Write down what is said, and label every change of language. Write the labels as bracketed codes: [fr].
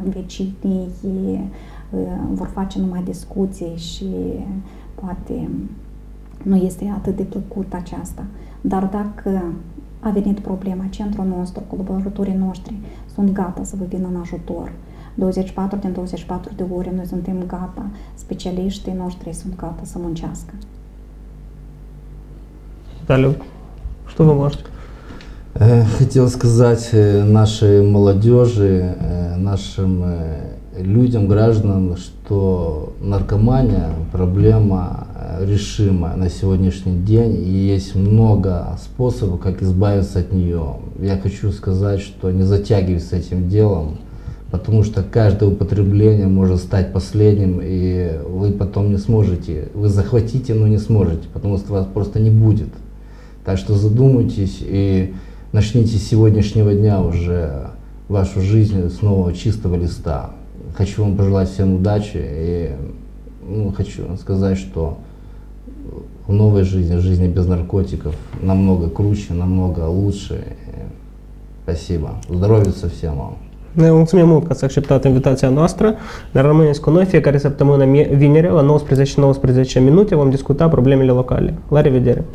[ro] Vecinii vor face numai discuții și poate nu este atât de plăcut aceasta. Dar dacă a venit problema, centrul nostru, colaboratorii noștri sunt gata să vă vină în ajutor. 24 din 24 de ore noi suntem gata, specialiștii noștri sunt gata să muncească. [ru] Далее, что вы можете? Хотел сказать нашей молодежи, нашим людям, гражданам, что наркомания – проблема решимая на сегодняшний день, и есть много способов, как избавиться от нее. Я хочу сказать, что не затягивайся с этим делом, потому что каждое употребление может стать последним, и вы потом не сможете, вы захватите, но не сможете, потому что вас просто не будет. Так что задумайтесь и начните с сегодняшнего дня уже вашу жизнь снова чистого листа. Хочу вам пожелать всем удачи и хочу сказать, что в новой жизни, жизни без наркотиков, намного круче, намного лучше. Спасибо. Здоровья всем вам. [ro] Noi mulțumim mult că ați acceptat invitația noastră, dar rămâneți cu noi fiecare săptămână vineri la 19:19 minute, vom discuta problemele locale. La revedere!